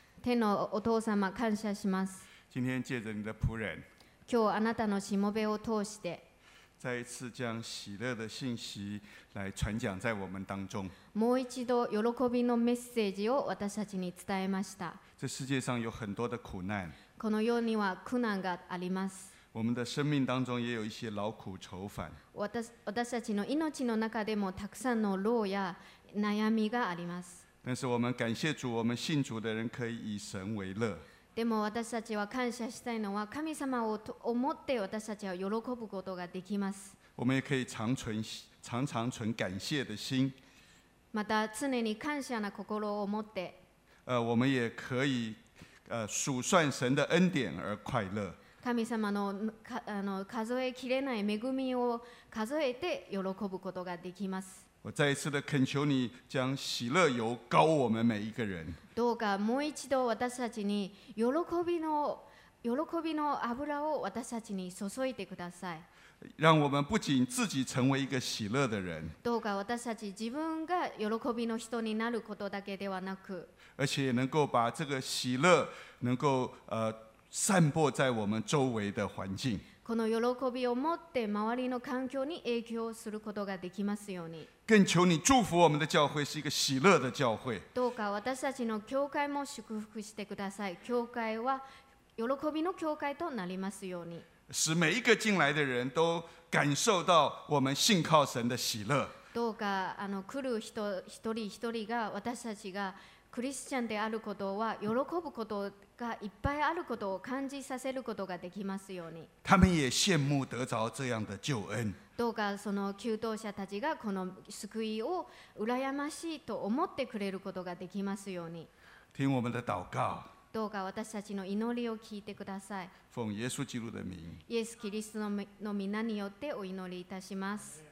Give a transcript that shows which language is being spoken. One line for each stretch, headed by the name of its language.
Japanese: 天のお父様、感謝します。
Chinese: 今天借着你的仆人，
Japanese: 今日あなたのしもべを通して，
Chinese: 再一次将喜乐的信息来传讲在我们当中。
Japanese: もう一度喜びのメッセージを私たちに伝えました。
Chinese: 这世界上有很多的苦难。
Japanese: この世には苦難があります。
Chinese: 我们的生命当中也有一些劳苦愁烦。
Japanese: 私たちの命の中でもたくさんの労や悩みがあります。
Chinese: 但是我们感谢主，我们信主的人可以以神为乐。
Japanese: でも私たちは感謝したいのは神様を思って私たちは喜ぶことができます。
Chinese: 我们也可以常常存感谢的心。
Japanese: また常に感謝な心を持って。
Chinese: 我们也可以数算神的恩典而快乐。
Japanese: 神様 の数えきれない恵みを数えて喜ぶことができます。
Chinese: 我再一次的恳求你将喜乐油膏我们每一个人。
Japanese: どうかもう一度私たちに喜びの油を私たちに注いでください。
Chinese: 让我们不仅自己成为一个喜乐的人。
Japanese: どうか私たち自分が喜びの人になることだけではなく、
Chinese: 而且能够把这个喜乐能够散播在我们周围的环境。
Japanese: この喜びを持って周りの環境に影響することができますように。
Chinese: 更求你祝福我们的教会是一个喜乐的教会。
Japanese: どうか私たちの教会も祝福してください。教会は喜びの教会となりますように。
Chinese: 使每一个进来的人都感受到我们信靠神的喜乐。
Japanese: どうか来る人一人一人が私たちがクリスチャンであることは喜ぶことがいっぱいあることを感じさせることができますように。
Chinese: 他们也羡慕得着这样的救恩。
Japanese: どうかその求道者たちがこの救いを羨ましいと思ってくれることができますように。
Chinese: 听我们的祷告。
Japanese: どうか私たちの祈りを聞いてください。
Chinese: 奉耶稣基督的名。
Japanese: イエスキリストの御名によってお祈りいたします。